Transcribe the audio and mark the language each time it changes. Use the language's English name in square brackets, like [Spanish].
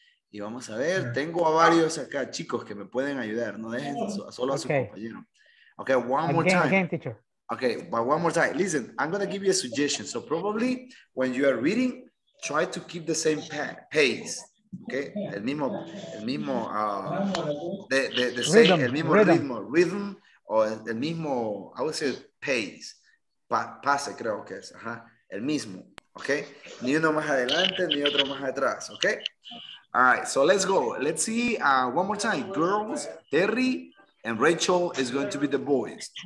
[Spanish] Y vamos a ver, tengo a varios acá, chicos, que me pueden ayudar. No dejen solo a su compañero. Okay, [English] one more time. Listen, I'm going to give you a suggestion. So probably when you are reading, try to keep the same pace. Okay? [Spanish] El mismo ritmo, [English] I would say pace. [Spanish] Pase, creo que es. Ajá. El mismo. Okay? Ni uno más adelante, ni otro más atrás. [English] Okay? All right, so let's go. Let's see one more time. Girls, Terry, and Rachel is going to be the boys.